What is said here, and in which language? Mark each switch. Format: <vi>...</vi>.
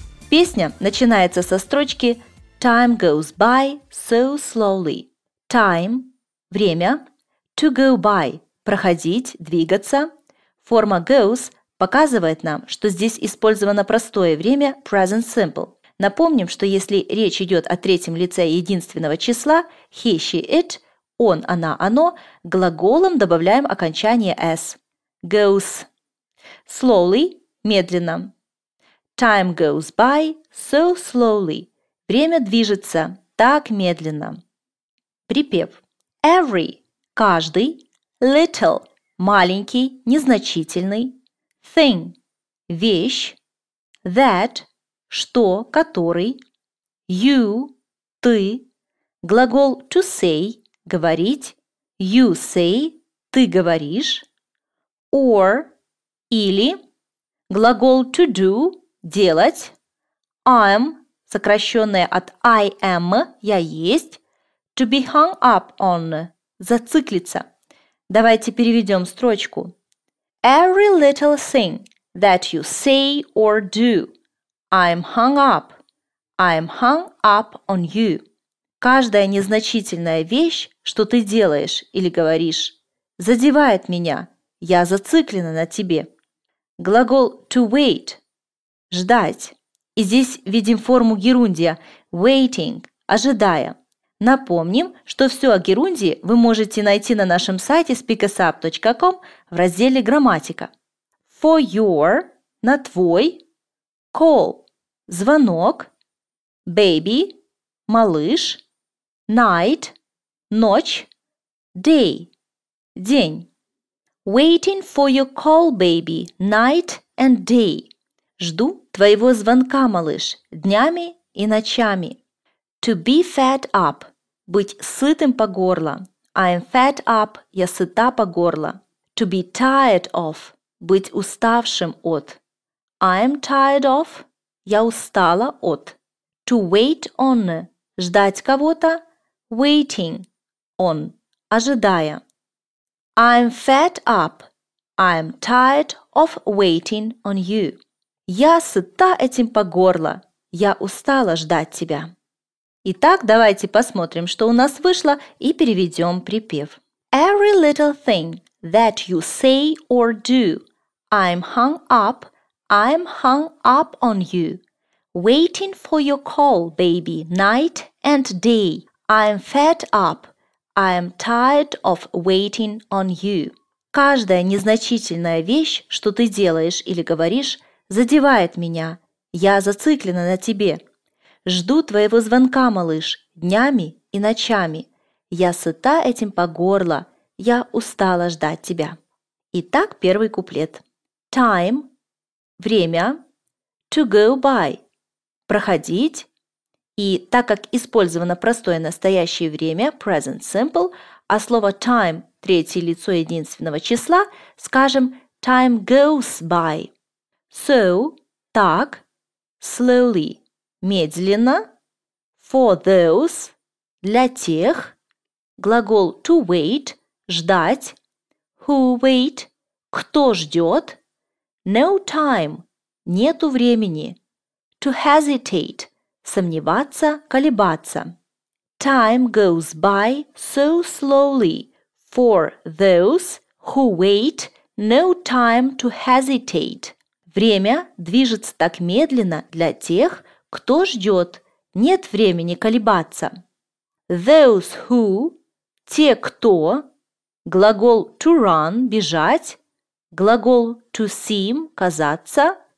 <ru>Песня начинается со строчки</ru> <en>«Time goes by so slowly». Time – время. To go by –</en> <ru>проходить, двигаться. Форма «goes» показывает нам, что здесь использовано простое время «present simple». Напомним, что если речь идет о третьем лице единственного числа</ru> <en>«he, she, it» –</en> <ru>«он, она, оно» – глаголом добавляем окончание «s».</ru> <en>Goes. Slowly – медленно. Time goes by so slowly.</en> <ru>Время движется так медленно. Припев. Every – каждый. Little – маленький, незначительный.</ru> <en>Thing – вещь.</en> <ru>That – что, который.</ru> <en>You – ты.</en> <ru>Глагол to say – говорить.</ru> <en>You say</en> <ru>– ты говоришь. Or – или. Глагол</ru> <en>to do</en> <ru>– делать. I'm, сокращенное от</ru> <en>I am,</en> <ru>я есть.</ru> <en>To be hung up on, зациклиться.</en> <ru>Давайте переведем строчку.</ru> <en>Every little thing that you say or do, I'm hung up. I'm hung up on you.</en> <ru>Каждая незначительная вещь, что ты делаешь или говоришь, задевает меня. Я зациклена на тебе.</ru> <en>Глагол to wait.</en> <ru>Ждать. И здесь видим форму герундия – waiting, ожидая. Напомним, что все о герундии вы можете найти на нашем сайте speakusup.com в разделе «Грамматика».</ru> <en>For your</en> <ru>– на твой, call – звонок, baby – малыш, night – ночь, day – день.</ru> <en>Waiting for your call, baby, night and day.</en> <ru>Жду твоего звонка, малыш, днями и ночами.</ru> <en>To be fed up.</en> <ru>Быть сытым по горло.</ru> <en>I am fed up.</en> <ru>Я сыта по горло.</ru> <en>To be tired of.</en> <ru>Быть уставшим от.</ru> <en>I am tired of.</en> <ru>Я устала от.</ru> <en>To wait on.</en> <ru>Ждать кого-то.</ru> <en>Waiting on.</en> <ru>Ожидая.</ru> <en>I am fed up. I am tired of waiting on you.</en> <ru>Я сыта этим по горло. Я устала ждать тебя. Итак, давайте посмотрим, что у нас вышло, и переведем припев.</ru> <en>Every little thing that you say or do, I'm hung up, I'm hung up on you. Waiting for your call, baby, night and day. I'm fed up, I'm tired of waiting on you.</en> <ru>Каждая незначительная вещь, что ты делаешь или говоришь, задевает меня. Я зациклена на тебе. Жду твоего звонка, малыш, днями и ночами. Я сыта этим по горло. Я устала ждать тебя. Итак, первый куплет. Time – время.</ru> <en>To go by – проходить.</en> <ru>И так как использовано простое настоящее время, present simple, а слово time – третье лицо единственного числа, скажем</ru> <en>time goes by.</en> <ru>So – так, slowly – медленно,</ru> <en>for those</en> <ru>– для тех, глагол to wait – ждать,</ru> <en>who wait</en> <ru>– кто ждет,</ru> <en>no time</en> <ru>– нету времени,</ru> <en>to hesitate</en> <ru>– сомневаться, колебаться.</ru> <en>Time goes by so slowly – for those who wait – no time to hesitate.</en> <ru>Время движется так медленно для тех, кто ждет. Нет времени колебаться.</ru> <en>Those who</en> <ru>– те, кто. Глагол</ru> <en>to run</en> <ru>– бежать. Глагол</ru> <en>to seem</en> <ru>– казаться.</ru>